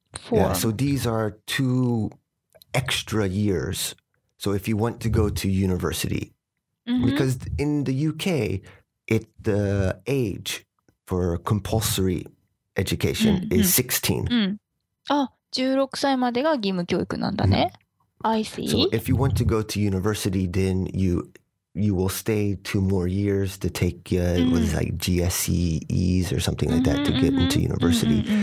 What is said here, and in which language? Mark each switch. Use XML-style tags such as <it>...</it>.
<en>Yeah, so these are two extra years. So if you want to go to university, because in the UK, the age for compulsory education is 16.</en> <ja>Ah, 16 歳までが義務教育なんだね。</ja> <en>I see. So if you want to go to university, then you will stay two more years to take what is like GCSEs or something like that to get into university.</en>